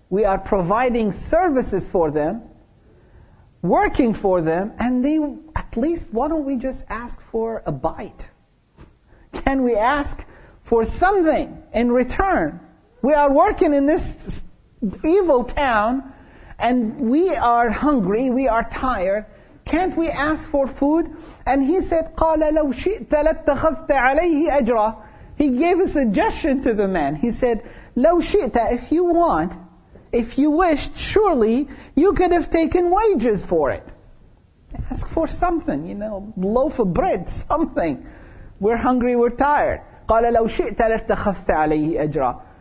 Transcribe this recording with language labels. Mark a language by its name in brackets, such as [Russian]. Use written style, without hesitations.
[English] We are providing services for them, working for them, and they, at least, why don't we just ask for a bite? Can we ask for something in return? We are working in this evil town, and we are hungry, we are tired. Can't we ask for food? And he said, [Arabic] قَالَ لَوْ شِئْتَ لَتَّخَذْتَ عَلَيْهِ أَجْرًا. [English] He gave a suggestion to the man. He said, [Arabic] لَوْ شِئْتَ, [English] if you want, if you wished, surely you could have taken wages for it. Ask for something, you know, loaf of bread, something. We're hungry, we're tired. [Arabic] قَالَ لَوْ شِئْتَ لَتَّخَذْتَ عَلَيْهِ أَجْرًا.